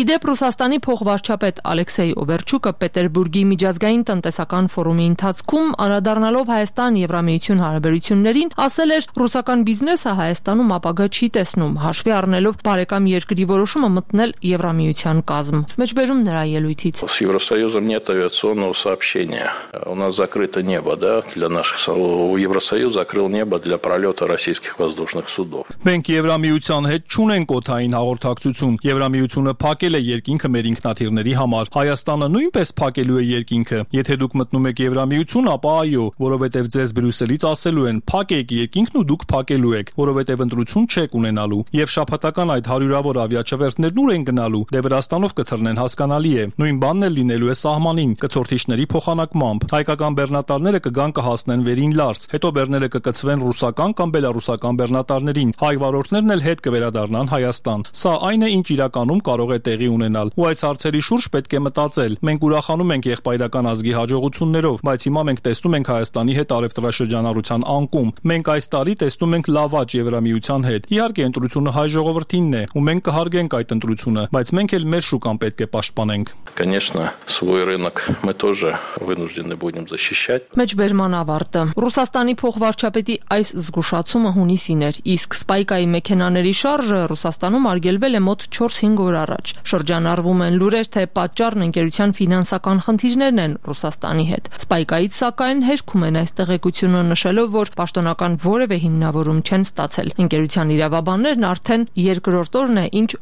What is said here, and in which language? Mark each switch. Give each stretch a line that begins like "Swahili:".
Armenian: Իդեպ Ռուսաստանի փոխվարչապետ Ալեքսեյ Օվերչուկը Պետերբուրգի միջազգային տնտեսական ֆորումի ընթացքում, անդրադառնալով Հայաստան-Եվրամիություն հարաբերություններին, ասել էր, ռուսական բիզնեսը Հայաստանում ապագա չի տեսնում, հաշվի առնելով բարեկամ երկրի որոշումը մտնել Եվրամիության կազմ։ Մեջբերում նրա ելույթից.
Russian: Евросоюза нет авиационного сообщения. У нас закрыто небо, да, для наших у Евросоюз закрыл небо для пролёта российских воздушных судов.
Armenian: Մենք Եվրամիության հետ չունենք օթային հաղորդակցություն։ Եվրամիությունը փակել է երկինքը մեր ինքնաթիռների համար, Հայաստանը նույնպես փակելու է երկինքը։ Եթե դուք մտնում եք Եվրամիություն, ապա այո, որովհետև ձեզ Բրյուսելից ասելու են, փակեք երկինքն ու դուք փակելու եք, որովհետև ընտրություն չեք ունենալու։ Եվ շաբաթական այդ հարյուրավոր ավիաչվերթներն ուր են գնալու, դե Վրաստանով կթռնեն, հասկանալի է։ Նույն բանն է լինելու է սահմանին, կցորտիչների փոխանակմամբ։ Հայկական բեռնատարները կգան կհասնեն Վերին Լարս, հետո բեռները կկցվեն ռուսական կամ բելարուսական բեռնատարներին, հայ վարորդներն էլ հետ կվերադառնան Հայաստան։ Սա այն է, ինչ իրականում կարող է տեղի ունենալ։ Ու այս հարցերի շուրջ պետք է մտածել։ Մենք ուրախանում ենք եղբայրական ազգի հաջողություններով, բայց հիմա մենք տեսնում ենք Հայաստանի հետ արևտրաշրջանառության անկում։ Մենք այս տարի տեսնում ենք լավաճ Եվրամիության հետ։ Իհարկե, ընտրությունը հայ ժողովրդինն է, ու մենք կհարգենք այդ ընտրությունը, բայց մենք էլ մեր շուկան պետք է պաշտպանենք։
Russian: Конечно, свой рынок мы тоже вынуждены будем защищать.
Armenian: Մեջբերման ավարտը։ Ռուսաստանի փոխվարչապետի այս զգուշացումը հունիսին էր, իսկ Սպայկայի մեքենաների շարժը Ռուսաստանում արգելվել է մոտ 4-5 օր առաջ։ Շրջանառվում են լուրեր, թե պատճառն ընկերության ֆինանսական խնդիրներն են Ռուսաստանի հետ։ Սպայկայից սակայն հերքում են այս տեղեկությունը, նշելով, որ պաշտոնական որևէ հիմնավորում չեն ստացել։ Ընկերության իրավաբաններն արդեն երկրորդ օրն է, ինչ